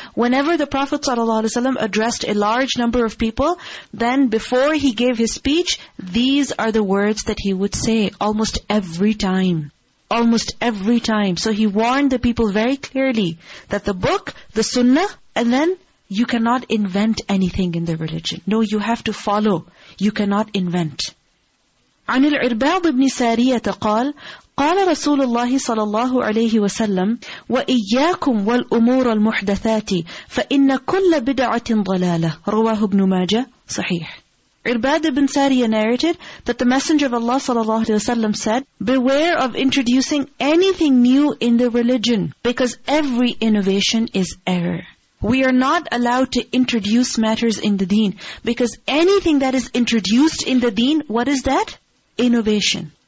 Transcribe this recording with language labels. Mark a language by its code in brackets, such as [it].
[en] Whenever the Prophet ﷺ addressed a large number of people, then before he gave his speech, these are the words that he would say almost every time. Almost every time. So he warned the people very clearly that the book, the sunnah, and then you cannot invent anything in the religion. No, you have to follow. You cannot invent. [ar] عن العرباض بن سارية قال قال رسول الله صلى الله عليه وسلم وإياكم والأمور المحدثات فإن كل بدعة ضلالة رواه ابن ماجة Sahih. [en] Irbad ibn Sariya narrated that the Messenger of Allah sallallahu alaihi wasallam said, "Beware of introducing anything new in the religion, because every innovation is error." We are not allowed to introduce matters in the deen, because anything that is introduced in the deen, what is that? Innovation.